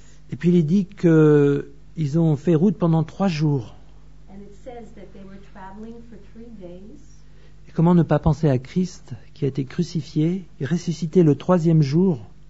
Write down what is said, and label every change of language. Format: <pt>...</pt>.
<fr>Et puis il est dit qu'ils ont fait route pendant 3 jours.</fr> <en>And it says that they were traveling for 3 days.</en> <fr>Et comment ne pas penser à Christ qui a été crucifié et ressuscité le 3e jour?</fr>